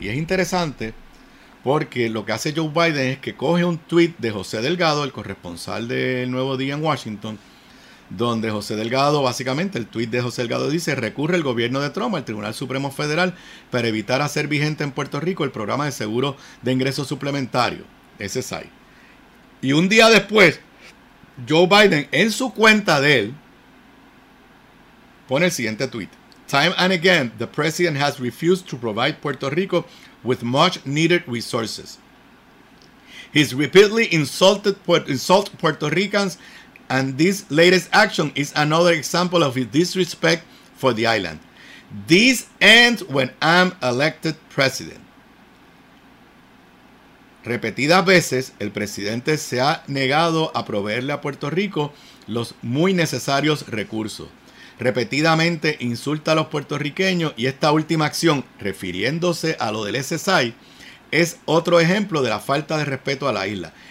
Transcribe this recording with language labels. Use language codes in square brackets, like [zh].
[es] Y es interesante porque lo que hace Joe Biden es que coge un tuit de José Delgado, el corresponsal del Nuevo Día en Washington, donde José Delgado, básicamente el tuit de José Delgado dice, recurre el gobierno de Trump al Tribunal Supremo Federal para evitar hacer vigente en Puerto Rico el programa de seguro de ingreso suplementario, SSI. Y un día después, Joe Biden en su cuenta de él pone el siguiente tuit. [en] Time and again, the president has refused to provide Puerto Rico with much needed resources. He's repeatedly insulted Puerto Ricans, and this latest action is another example of his disrespect for the island. This ends when I'm elected president. [es] Repetidas veces, el presidente se ha negado a proveerle a Puerto Rico los muy necesarios recursos. Repetidamente insulta a los puertorriqueños y esta última acción, refiriéndose a lo del SSI, es otro ejemplo de la falta de respeto a la isla.